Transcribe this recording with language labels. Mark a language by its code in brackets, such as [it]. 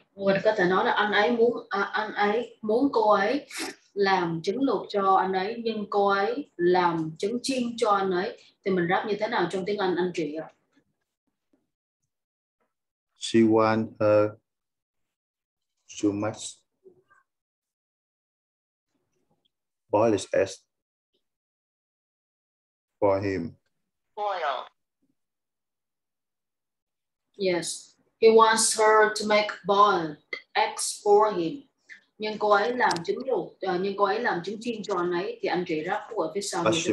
[vi] Mình có thể nói là anh ấy muốn cô ấy làm trứng luộc cho anh ấy, nhưng cô ấy làm trứng chiên cho anh ấy. Thì mình rap như thế nào trong tiếng Anh, anh chị ạ? [en] She want her too much boiled eggs for him. Boil. Yes. He wants her to make boiled eggs for him. [vi] Nhưng cô ấy làm trứng luộc, nhưng cô ấy làm trứng chiên cho anh ấy. Thì anh chị rap của phía sau.